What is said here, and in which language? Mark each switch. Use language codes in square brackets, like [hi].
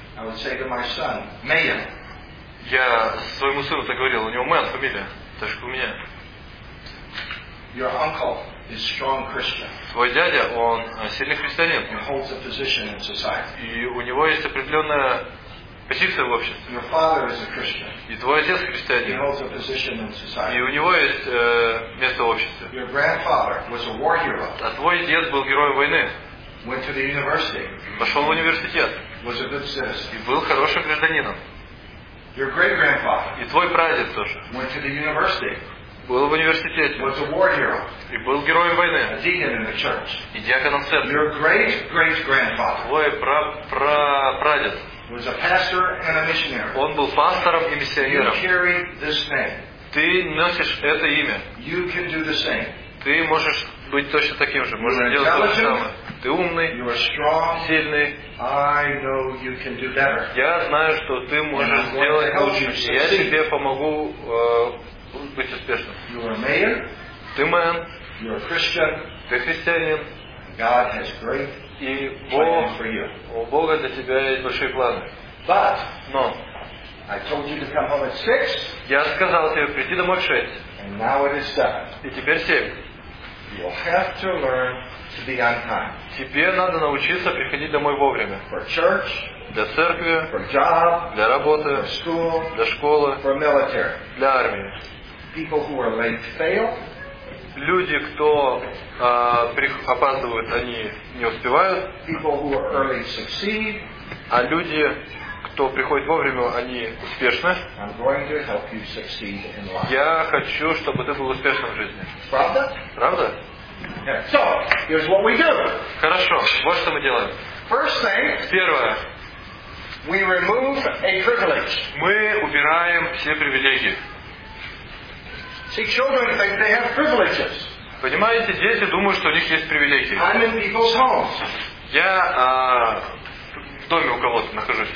[en] I would say to my son, Mayan. [ru] Я своему сыну так говорил, у него Мэн фамилия, так же как у меня. [en] Your uncle is strong Christian. [ru] Твой дядя, он сильный христианин. [en] He holds a position in society. [ru] И у него есть определенная позиция в обществе. [en] Your father is a Christian. [ru] И твой отец христианин. [en] He holds a position in society. [ru] И у него есть место в обществе. [en] Your grandfather was a war hero. [ru] А твой дед был героем войны. [en] Went to the university. [ru] Пошел в университет. [en] Was a good citizen. [ru] И был хорошим гражданином. [en] Your great grandfather. [ru] И твой прадед тоже. [en] Went to the university. [ru] Был в университете. [en] Was a war hero. [ru] И был героем войны. [en] A deacon in the church. [ru] И диаконом в церкви. [en] Your great great grandfather. [ru] Твой прадед. [en] Was a pastor and a missionary. [ru] Он был пастором и миссионером. [en] You carry this name. [ru] Ты носишь это имя. [en] You can do the same. [ru] Ты можешь быть точно таким же. Можешь делать то же самое. Ты умный. [en] You are strong. [ru] Сильный. [en] I know you can do better. [ru] Я знаю, что ты можешь сделать лучше. Я тебе помогу быть успешным. [en] You are man. [ru] Ты мэн. [en] You are Christian. [ru] Ты христианин. [en] God has great [ru] и Бог, [en] plans for you. [ru] У Бога для тебя есть большие планы. [en] But, [ru] но [en] I told you to come home at 6. [ru] Я сказал тебе прийти домой в 6. [en] And now it is 7. [ru] И теперь 7. [en] You have to learn to be on time. [ru] Тебе надо научиться приходить домой вовремя. [en] For church, [ru] для церкви, [en] for job, [ru] для работы, [en] for school, [ru] для школы, [en] for military, [ru] для армии. [en] People who are late fail. [ru] Люди, кто опаздывают, они не успевают. [en] People who are early succeed. [ru] А люди, кто приходит вовремя, они успешны. [en] I'm going to help you succeed in life. [ru] Я хочу, чтобы ты был успешным в жизни. Правда? Правда? [en] Yeah. So, here's what we do. [ru] Хорошо, вот что мы делаем. [en] First thing, [ru] первое. [en] We remove a privilege. [ru] Мы убираем все привилегии. [en] See, children think they have privileges. [ru] Понимаете, дети думают, что у них есть привилегии. [en] I'm in people's homes. [ru] Я в доме у кого-то нахожусь.